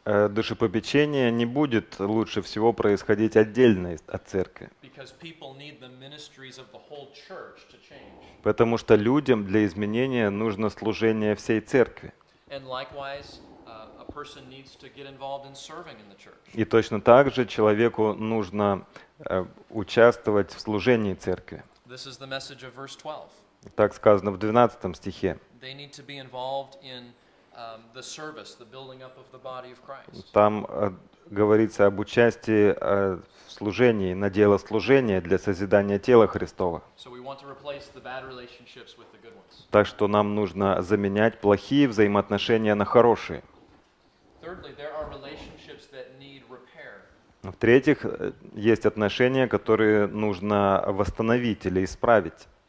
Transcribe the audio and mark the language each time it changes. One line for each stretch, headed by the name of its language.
Russian: Душепопечение не будет лучше всего происходить отдельно от церкви.
English: Because people need the ministries of the whole church to change.
Russian: Потому что людям для изменения нужно служение всей церкви.
English: And likewise, a person needs to get involved in serving in the church.
Russian: И точно так же человеку нужно участвовать в служении церкви.
English: This is the message of verse 12.
Russian: Так сказано в 12 стихе.
English: They need to be involved in the service, the building up of the body of Christ.
Russian: Там говорится об участии в служении, на дело служения для созидания тела Христова.
English: So we want to replace the bad relationships with the good ones.
Russian: Так что нам нужно заменять плохие взаимоотношения на хорошие.
English: Thirdly, there are relationships that need repair.
Russian: В-третьих, есть отношения, которые нужно восстановить или исправить.